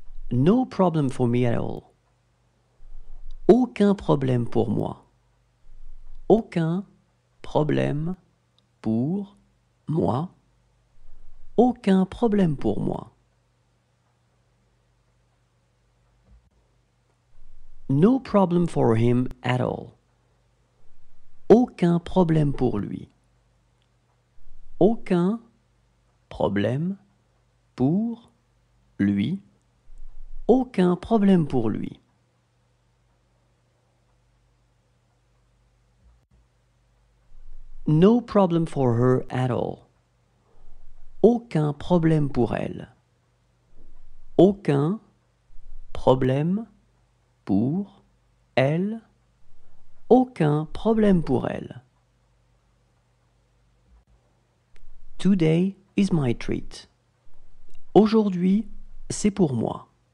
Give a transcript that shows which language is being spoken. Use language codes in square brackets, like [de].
[en] No problem for me at all. [fr] Aucun problème pour moi. Aucun problème pour moi. Aucun problème pour moi. [en] No problem for him at all. [fr] Aucun problème pour lui. Aucun problème pour lui. Aucun problème pour lui. [en] No problem for her at all. [fr] Aucun problème pour elle. Aucun problème pour elle. Aucun problème pour elle. [en] Today is my treat. [fr] Aujourd'hui, c'est pour moi.